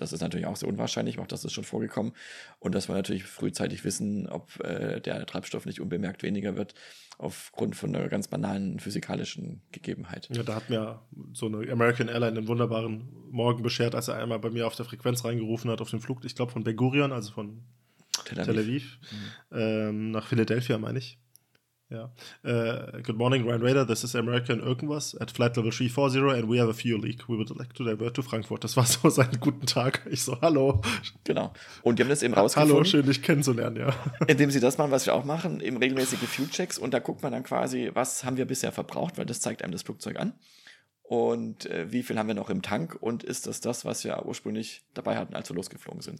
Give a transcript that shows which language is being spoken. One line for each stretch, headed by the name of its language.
German: Das ist natürlich auch sehr unwahrscheinlich, auch das ist schon vorgekommen. Und dass wir natürlich frühzeitig wissen, ob der Treibstoff nicht unbemerkt weniger wird, aufgrund von einer ganz banalen physikalischen Gegebenheit. Ja, da hat mir so eine American Airline einen wunderbaren Morgen beschert, als er einmal bei mir auf der Frequenz reingerufen hat, auf dem Flug, ich glaube von Ben Gurion, also von Tel Aviv. Mhm. Nach Philadelphia, meine ich. Ja.
English: Good morning, Ryan Rader. This is American
German: irgendwas
English: at flight level 340 and we have a fuel leak. We would like to divert to Frankfurt.
German: Das war so sein guten Tag. Ich so, hallo. Genau. Und die haben das eben rausgefunden. Hallo, schön, dich kennenzulernen, ja. Indem sie das machen, was wir auch machen, eben regelmäßige Fuel-Checks. Und da guckt man dann quasi, was haben wir bisher verbraucht, weil das zeigt einem das Flugzeug an. Und wie viel haben wir noch im Tank? Und ist das das, was wir ursprünglich dabei hatten, als wir losgeflogen sind?